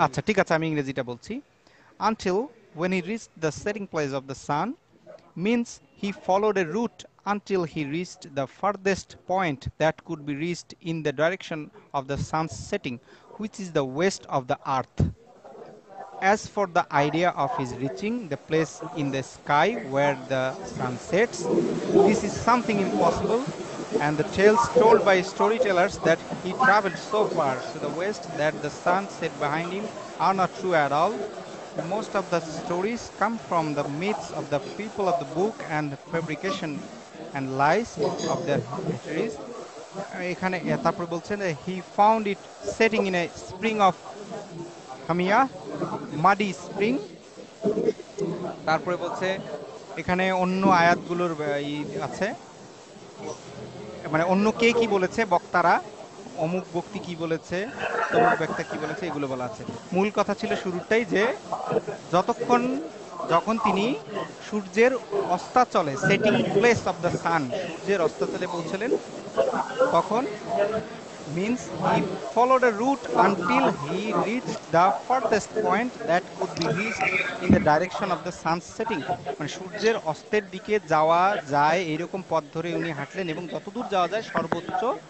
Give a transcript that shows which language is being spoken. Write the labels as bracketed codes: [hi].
[bn] আচ্ছা ঠিক আছে আমি ইংরেজিটা বলছি। [en] Until when he reached the setting place of the sun means he followed a route until he reached the farthest point that could be reached in the direction of the sun setting which is the west of the earth. As for the idea of his reaching the place in the sky where the sun sets, this is something impossible and the tales told by storytellers that he traveled so far to the west that the sun set behind him are not true at all. Most of the stories come from the myths of the people of the book and the fabrication and lies of their histories. এখানে তারপর বলছেন he found it setting in a spring of hamia, muddy spring. [bn] তারপর বলছে এখানে অন্য আয়াতগুলোর আছে, মানে অন্য কে কি বলেছে, বক্তারা অমুক ব্যক্তি কি বলেছে, তমুক ব্যক্তি কি বলেছে, এগুলো বলা আছে। মূল কথা ছিল শুরুটাই যে যতক্ষণ যখন তিনি সূর্যের অস্তাচলে, [en] setting place of the sun, [bn] সূর্যের অস্তাচলে পৌঁছলেন তখন [en] means he followed a route until he reach the farthest point that could be reach in the direction of the sun setting, [bn] মানে সূর্যের অস্তের দিকে যাওয়া যায় এইরকম পথ ধরে উনি হাঁটলেন এবং যতদূর যাওয়া যায় সর্বোচ্চ,